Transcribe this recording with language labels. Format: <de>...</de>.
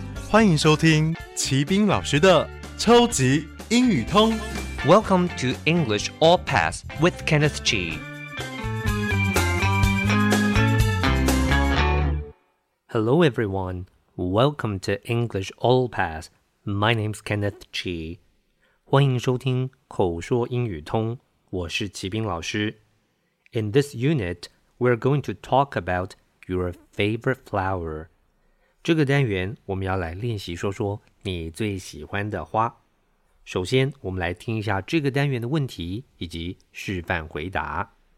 <zh>欢迎收听齐宾老师的超级英语通。</zh> <en>Welcome to English All Pass with Kenneth G. Hello everyone, welcome to English All Pass. My name's Kenneth Chi.</en> <zh>欢迎收听口说英语通，我是齐宾老师。</zh> <en>In this unit, we're going to talk about your favorite flower.</en> <zh>这个单元我们要来练习说说你最喜欢的花。首先，我们来听一下这个单元的问题以及示范回答。</zh>